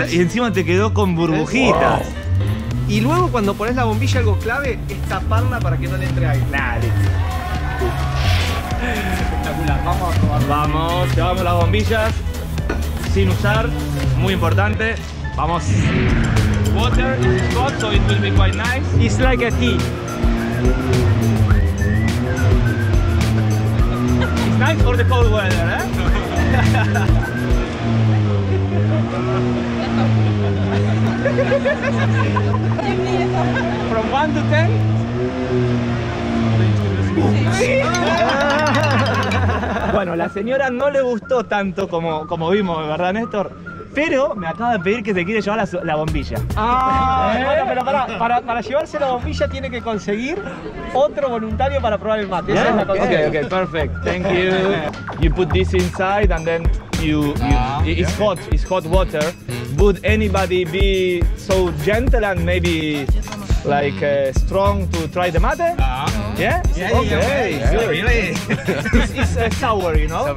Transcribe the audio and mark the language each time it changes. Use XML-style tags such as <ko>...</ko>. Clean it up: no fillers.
<es>¿Ves? Y encima te quedó con burbujitas. Wow. Y luego cuando pones la bombilla, algo clave es taparla para que no le entre aire. Dale. Espectacular. Vamos a probarlo. Vamos, llevamos las bombillas sin usar. Muy importante. Vamos.</es> <en>Water is hot, so it will be quite nice. It's like a tea. Nice for the cold weather, eh? From 1 to 10?</en> <es>Bueno, la señora no le gustó tanto como vimos, ¿verdad, Néstor? Pero me acaba de pedir que se quiere llevar la bombilla. Ah, bueno, pero para llevarse la bombilla tiene que conseguir otro voluntario para probar el mate.</es> <en>Yeah,</en> <es>esa es la cosa.</es> <en>Okay, perfect. Thank you. You put this inside and then it's hot. It's hot water. Would anybody be so gentle and maybe like strong to try the mate? Yeah? Yeah, okay. Yeah, really? It's sour, you know?</en>